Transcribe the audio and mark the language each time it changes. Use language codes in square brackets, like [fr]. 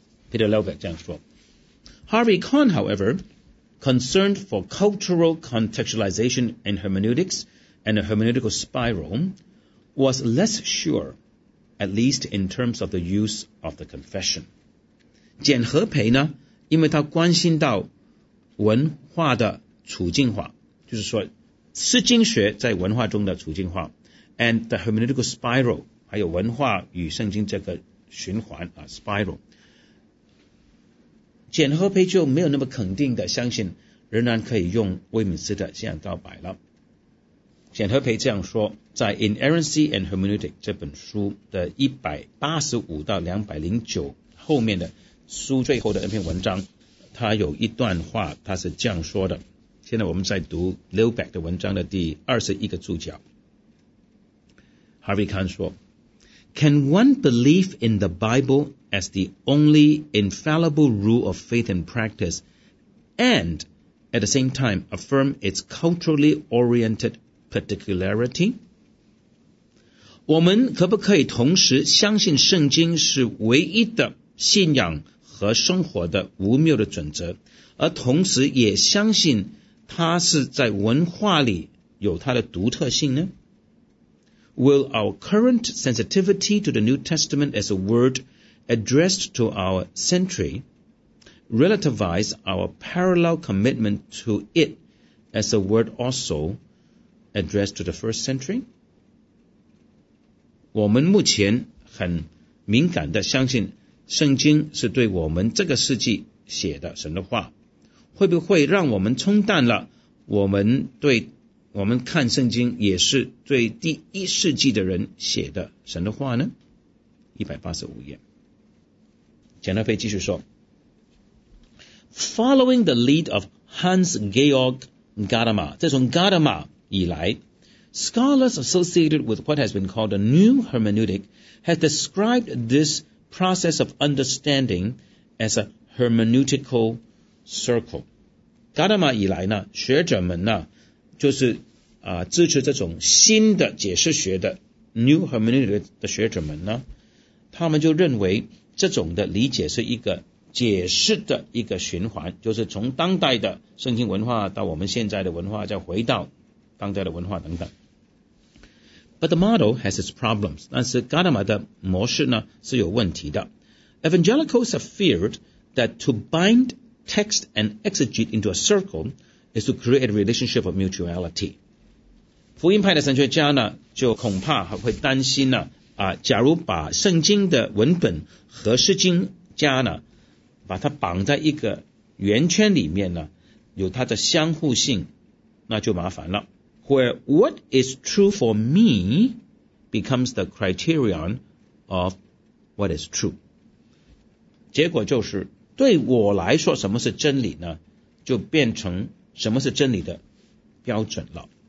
[en] Peter Lobeck [zh] 这样说， [en] Harvey Kahn however concerned for cultural contextualization in hermeneutics and a hermeneutical spiral was less sure, at least in terms of the use of the confession. [zh] 简和培呢，因为他关心到文化的处境化，就是说，释经学在文化中的处境化， [en] and the hermeneutical spiral, [zh] 还有文化与圣经这个循环、spiral。简和培就没有那么肯定的相信仍然可以用威敏斯特这样告白了。简和培这样说，在 Inerrancy and Hermeneutics 这本书的185-209后面的书最后的那篇文章，他有一段话他是这样说的，现在我们在读 Lilbeck 的文章的第21注脚。 [en] Harvey Kahn 说， Can one believe in the Bible as the only infallible rule of faith and practice and at the same time affirm its culturally oriented particularity？ [zh] 我们可不可以同时相信圣经是唯一的信仰和生活的无谬的准则，而同时也相信它是在文化里有它的独特性呢？ [en] Will our current sensitivity to the New Testament as a word addressed to our century relativize our parallel commitment to it as a word also addressed to the first century？ [zh] 我们目前很敏感地相信圣经是对我们这个世纪写的神的话，会不会让我们冲淡了我们看圣经也是对第一世纪的人写的神的话呢？ 185页。简德培继续说， [en] Following the lead of Hans Georg Gadamer， [zh] 自从 Gadamer 以来， [en] Scholars associated with what has been called a new hermeneutic have described this process of understanding as a hermeneutical circle。 [zh] Gadamer 以来呢，学者们呢就是支持这种新的解释学的 new hermeneutic 的学者们呢，他们就认为这种的理解是一个解释的一个循环，就是从当代的圣经文化到我们现在的文化，再回到当代的文化等等。 [en] But the model has its problems， [zh] 但是 Gadamer 的模式呢是有问题的。 [en] Evangelicals have feared that to bind text and exegete into a circle is to create a relationship of mutuality。 [zh] 福音派的神学家呢就恐怕会担心呢假如把圣经的文本和释经家呢把它绑在一个圆圈里面呢，有它的相互性，那就麻烦了。 [en] Where what is true [zh] for me becomes the criterion of what is true， 结果就是对我来说什么是真理呢，就变成什么是真理的标准了。